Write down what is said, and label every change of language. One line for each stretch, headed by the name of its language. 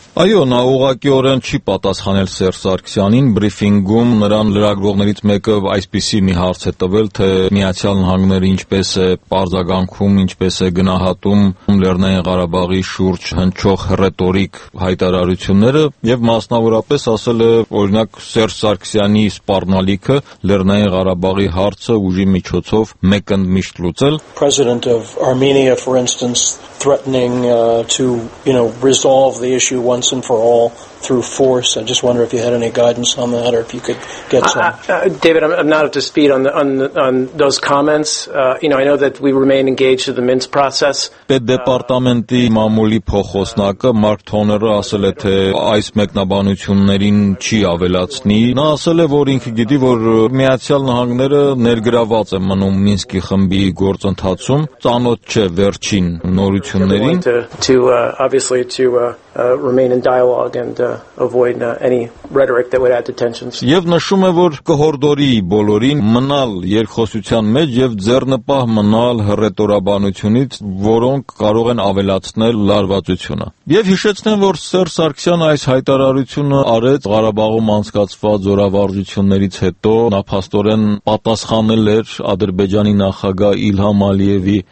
Armenian: Այո, նա ուղղակիորեն չի պատասխանել Սերժ Սարգսյանին, բրիֆինգում նրան լրագրողներից մեկը այսպիսի մի հարց է տվել, թե Միացյալ Նահանգները ինչպես է պարզագանքում, ինչպես է գնահատում Լեռնային Ղարաբաղի շուրջ հնչող ռետորիկ հայտարարությունները, և մասնավորապես ասել է, օրինակ, Սերժ Սարգսյանի սպառնալիքը Լեռնային Ղարաբաղի հարցը ուժի միջոցով մեկընդմիշտ լուծել։
English: President of Armenia, for instance, threatening to, you know, resolve the issue once and for all through force. I just wonder if you had any guidance on that, or if you could get some. David, I'm not up to speed on those comments. You know, I know that we remain engaged in the Minsk process.
Armenian: Պետ Դեպարտամենտի մամուլի փոխոսնակը Մարկ Թոները ասել է, թե այս մեկնաբանություններին չի ավելացնի։ Նա ասել է, որ ինքը գիտի, որ Միացյալ Նահանգները ներգրաված է մնում Մինսկի խմբի գործընթացում, ծանոթ չէ վերջին նորություններին.
English: Remain in dialogue and avoid any rhetoric that would add to tensions.
Armenian: Եվ նշում է, որ կհորդորի բոլորին մնալ երկխոսության մեջ եւ ձեռնպահ մնալ ռետորաբանությունից, որոնք կարող են ավելացնել լարվածությունը։ Եվ հիշեցնեմ, որ Սերժ Սարգսյանը այս հայտարարությունը արեց Ղարաբաղում անցկացված զորավարժություններից հետո, նա փաստորեն պատասխանել էր Ադրբեջանի նախագահ Իլհամ Ալիևի